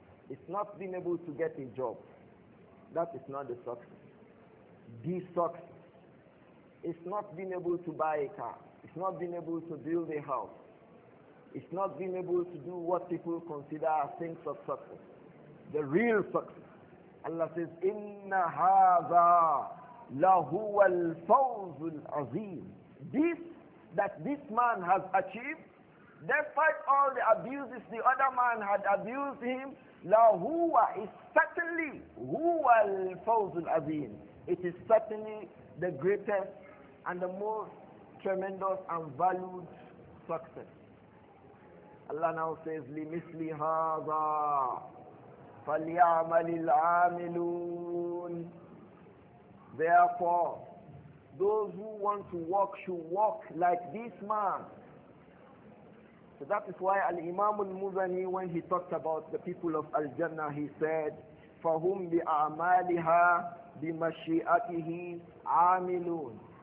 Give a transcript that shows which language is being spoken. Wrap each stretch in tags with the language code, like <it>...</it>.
<en>It's not being able to get a job. That is not the success. The success. It's not being able to buy a car. It's not been able to build a house. It's not been able to do what people consider as things of success. The real success. Allah says,</en> <ar>إِنَّ هَذَا لَهُوَ الْفَوْزُ الْعَظِيمُ.</ar> <en>This, that this man has achieved, despite all the abuses the other man had abused him, لَهُوَ is certainly</en> <ar>هُوَ الْفَوْزُ الْعَظِيمُ.</ar> <en>It is certainly the greatest and the most tremendous and valued success. Allah now says,</en> <ar>لِمِثْلِ هَذَا فَلْيَعْمَلِ الْعَامِلُونَ.</ar> <en>Therefore, those who want to walk should walk like this man. So that is why Al-Imam Al-Muzani, when he talked about the people of Al-Jannah, he said,</en> <ar>فَهُمْ بِأَعْمَالِهَا بِمَشِيئَتِهِ عَامِلُونَ.</ar>